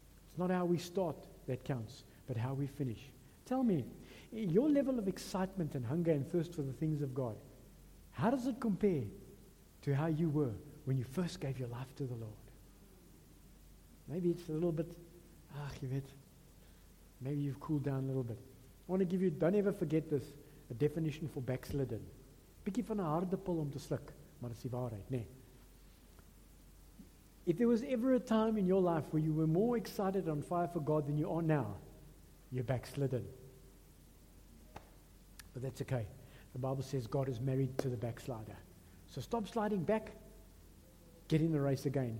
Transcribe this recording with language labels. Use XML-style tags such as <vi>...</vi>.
<en>It's not how we start that counts, but how we finish. Tell me, your level of excitement and hunger and thirst for the things of God, how does it compare to how you were when you first gave your life to the Lord? Maybe it's a little bit, maybe you've cooled down a little bit. I want to give you, don't ever forget this, a definition for backslidden.</en> <af>Bietjie van 'n harde pil om te sluk, maar dis die waarheid, né?</af> <en>If there was ever a time in your life where you were more excited on fire for God than you are now, you're backslidden. But that's okay. The Bible says God is married to the backslider. So stop sliding back. Get in the race again.</en>